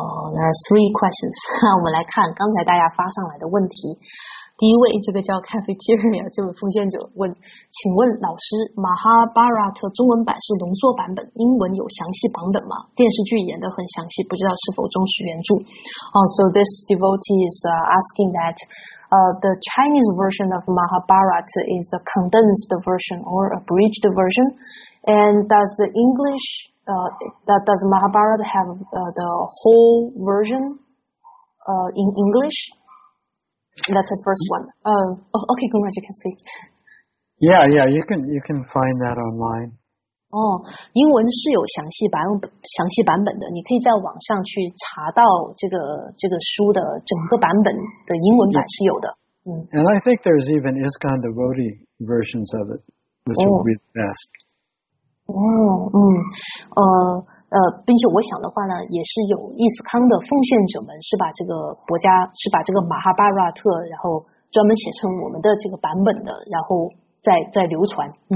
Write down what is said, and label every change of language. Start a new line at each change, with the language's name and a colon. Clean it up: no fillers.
English: There are three questions.
Chinese: 我们来看刚才大家发上来的问题。第一位，这个叫 Cafeteria 这位奉献者问，请问老师，马哈巴拉特中文版是浓缩版本，英文有详细版本吗？电视剧演得很详细，不知道是否忠实原著。
English: So this devotee is asking that the Chinese version of Mahabharata is a condensed version or abridged version, and does the English does Mahabharata have the whole version in EnglishThat's the first one. Okay, Gunraj, you can speak. Yeah, you can find that online.
Chinese: 英文是有详细版本的，你可以在网上去查到这个书的整个版本的英文版是有的。
English: And I think there's even ISKCON devotee versions of it, which would be the best.
Chinese: 并且我想的话呢，也是有伊斯康的奉献者们是把这个薄伽是把这个马哈巴拉特，然后专门写成我们的这个版本的，然后再流传。